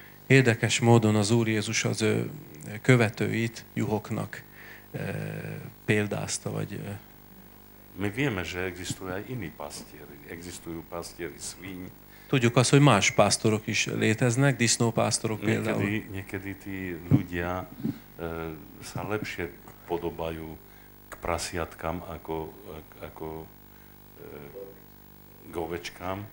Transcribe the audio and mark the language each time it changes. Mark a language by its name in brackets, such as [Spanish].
[Hungarian] Érdekes módon az Úr Jézus az követőit juhoknak példázta, vagy... [Slovak] My vieme, že existuje aj iní pastieri. Existujú pastieri svíň. [Hungarian] Tudjuk azt, hogy más pásztorok is léteznek, disznópásztorok például. [Slovak] Niekedy tí ľudia sa lepšie podobajú k prasiatkám ako k ovečkám.